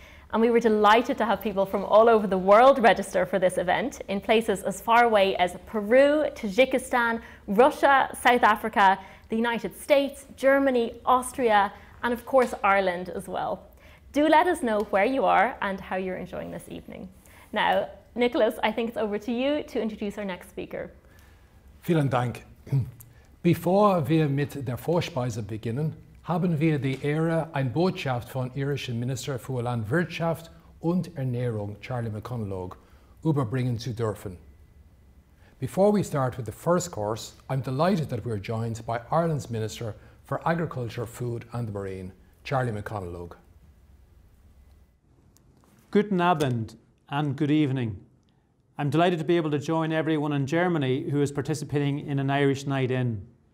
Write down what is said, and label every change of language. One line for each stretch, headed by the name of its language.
English: And we were delighted to have people from all over the world register for this event in places as far away as Peru, Tajikistan, Russia, South Africa, the United States, Germany, Austria, and of course Ireland as well. Do let us know where you are and how you're enjoying this evening. Now, Nicholas, I think it's over to you to introduce our next speaker.
German: Vielen Dank. Bevor wir mit der Vorspeise beginnen, haben wir die Ehre, ein Botschaft von irischen Minister für Landwirtschaft und Ernährung, Charlie McConlogue, überbringen zu dürfen.
English: Before we start with the first course, I'm delighted that we're joined by Ireland's Minister for Agriculture, Food and the Marine, Charlie McConlogue.
German: Guten Abend
English: and good evening. I'm delighted to be able to join everyone in Germany who is participating in an Irish Night In.